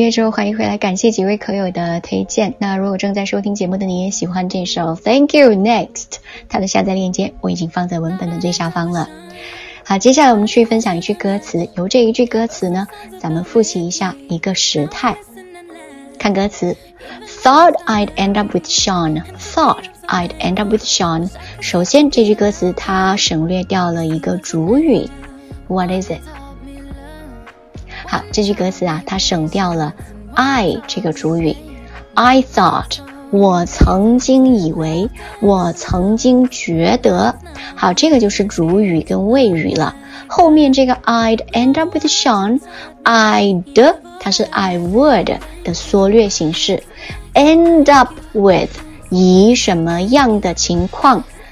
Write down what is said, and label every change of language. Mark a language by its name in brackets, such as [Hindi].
[Chinese] 欢迎回来，感谢几位可友的推荐。那如果正在收听节目的你也喜欢这首 Thank you next， 它的下载链接我已经放在文本的最下方了。好，接下来我们去分享一句歌词，由这一句歌词呢，咱们复习一下一个时态。看歌词 [English] Thought I'd end up with Sean [Chinese] Thought I'd end up with Sean 首先这句歌词它省略掉了一个主语 [English] What is it? [Chinese] 好，这句歌词啊，它省掉了 I 这个主语 [English] I thought [Chinese] 我曾经以为我曾经觉得好，这个就是主语跟谓语了后面这个 [English] I'd end up with Sean [Chinese] I'd 它是 [English] I would [Chinese] 的缩略形式 [English] end up with [Chinese] 以什么样的情况